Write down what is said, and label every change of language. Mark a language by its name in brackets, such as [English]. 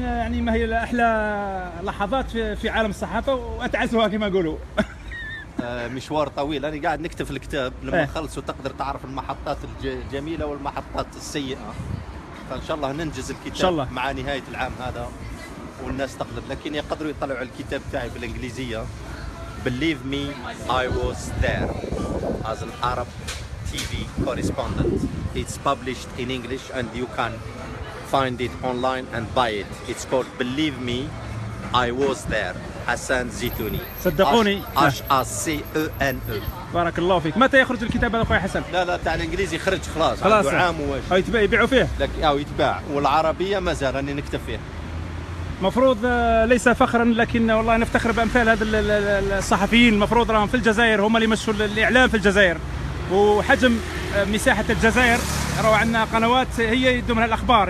[Arabic] يعني ما هي احلى لحظات في عالم الصحافه واتعسها كما يقولوا. مشوار طويل، انا قاعد نكتب في الكتاب، لما نخلصه تقدر تعرف المحطات الجميله والمحطات السيئه. فان شاء الله ننجز الكتاب إن شاء الله مع نهايه العام هذا، والناس تقدر، لكن يقدروا يطلعوا على الكتاب تاعي بالانجليزيه. [English] Believe me, I was there as an Arab TV correspondent. It's published in English and you can find it online and buy it. It's called Believe Me, I Was There. [Arabic] حسن زيتوني. صدقوني. HACENE. بارك الله فيك. متى يخرج الكتاب هذا اخويا حسن؟ لا تاع الانجليزي خرج خلاص. خلاص. عام وواش. يتباع يبيعوا فيه؟ لك او يتباع، والعربيه مازال راني نكتب فيها. مفروض ليس فخرا لكن والله نفتخر بامثال هذا الصحفيين. المفروض راهم في الجزائر هم اللي يمشوا الاعلام في الجزائر، وحجم مساحه الجزائر راهو عندنا قنوات هي يدوا منها الاخبار.